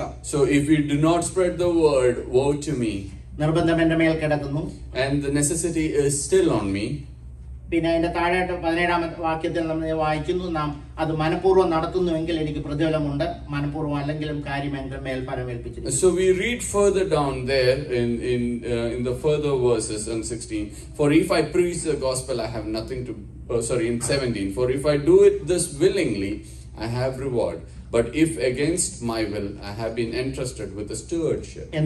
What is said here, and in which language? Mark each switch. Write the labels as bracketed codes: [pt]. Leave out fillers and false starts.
[en] So if you do not spread the word, woe to me. [ml] നിർബന്ധം എന്റെ മേൽ കിടക്കുന്നു. [en] And the necessity is still on me. [ml] പിന്നെ അതിന്റെ താഴെ 17-ാമത്തെ വാക്യത്തിൽ നമ്മൾ വായിക്കുന്നു, നാം അത് മനഃപൂർവ്വം നടത്തുന്നുവെങ്കിൽ എനിക്ക് പ്രതിഫലമുണ്ട്, മനഃപൂർവ്വം അല്ലെങ്കിലും കാര്യം എന്റെ മേൽ പരമേൽപ്പിച്ചു. [en] So we read further down there in the further verses in 16. For if I preach the gospel, I have nothing to, in 17. For if I do it this willingly, I have reward. But if against my will, I have been entrusted with a stewardship.